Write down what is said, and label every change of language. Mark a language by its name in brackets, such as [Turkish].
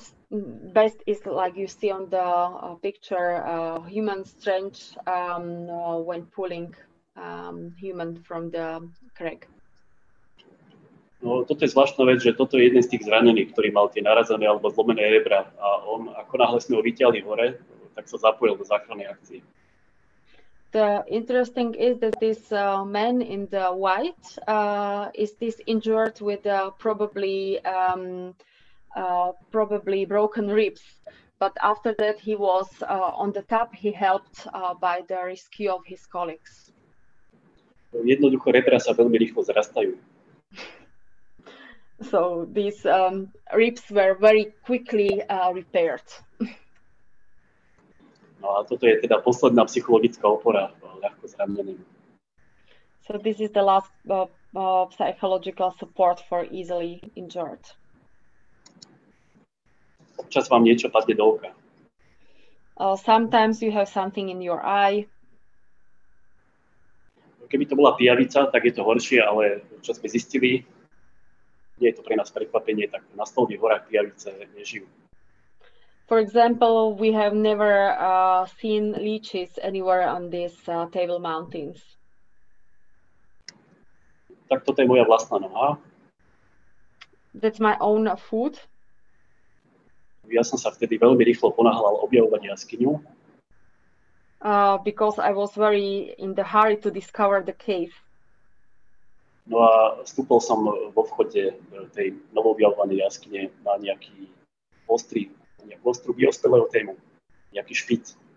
[English] The best is like you see on the picture, human strength when pulling human from the crag. [Slovak] No, toto je zvláštna vec, že toto je jeden z tých zranených, ktorý mal tie narazené alebo zlomené rebra. A on, ako náhle sme ho vyťahli hore, tak sa zapojil do záchrannej akcie. [English] The interesting is that this man in the white is this injured with probably broken ribs. But after that he was on the top, he helped by the rescue of his colleagues. [Slovak] Jednoducho rebra sa veľmi rýchlo zrastajú. [English] So these ribs were very quickly repaired. [Slovak] No a toto je teda posledná psychologická opora ľahko zraneným. [English] So this is the last psychological support for easily injured. [Slovak] Občas vám niečo padne do oka. [English] Sometimes you have something in your eye. [Slovak] Keby to bola pijavica, tak je to horšie, ale čo sme zistili, nie je to pre nás prekvapenie, tak na stolných horách pijavice nežijú. [English] For example, we have never seen leeches anywhere on these Table Mountains. [Slovak] Tak toto je moja vlastná noha. [English] That's my own foot. [Slovak] Ja som sa vtedy veľmi rýchlo ponáhľal objavovať jaskyňu. [English] Because I was very in the hurry to discover the cave. [Slovak] No a vstúpil som vo vchode tej novoobjavovanej jaskyne na nejakú ostrú biospeleothemu, nejaký špic.